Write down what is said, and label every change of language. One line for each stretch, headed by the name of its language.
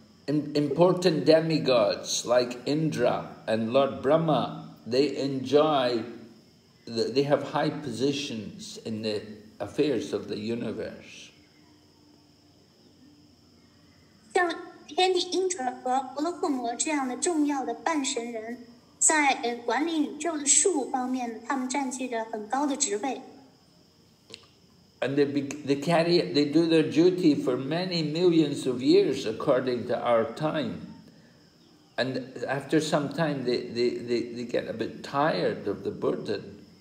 English: important demigods like Indra and Lord Brahma, they enjoy, they have high positions in the affairs of the universe.
Chinese: 天帝英特和婆罗浮摩这样的重要的半神人，在管理宇宙的事务方面，他们占据着很高的职位。And
English: they carry, they do their duty for many millions of years according to our time. And after some time, they get a bit tired of the burden.